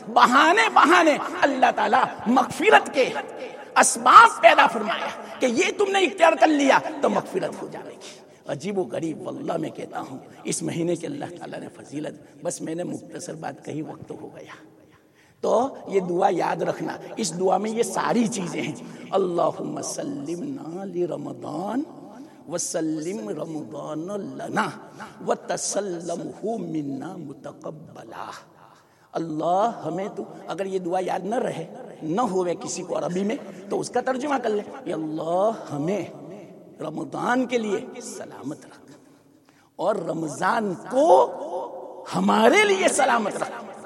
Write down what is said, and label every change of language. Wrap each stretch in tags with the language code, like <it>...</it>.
<ur>بہانے بہانے اللہ تعالیٰ مغفرت کے اسباب پیدا فرمایا کہ یہ تم نے اختیار کر لیا تو مغفرت ہو جائے گی. عجیب و غریب واللہ میں کہتا ہوں اس مہینے کے اللہ تعالیٰ نے فضیلت. بس میں نے مختصر بات کہی, وقت ہو گیا. تو یہ دعا یاد رکھنا, اس دعا میں یہ ساری چیزیں ہیں.</ur> <ar>اللہم سلمنا لرمضان وسلم رمضان لنا وتسلمه منا متقبلا.</ar> <ur>اللہ ہمیں تو, اگر یہ دعا یاد نہ رہے, نہ ہوئے کسی کو عربی میں, تو اس کا ترجمہ کر لے, یا اللہ ہمیں رمضان کے لیے سلامت رکھ اور رمضان کو ہمارے لیے سلامت رکھ.</ur>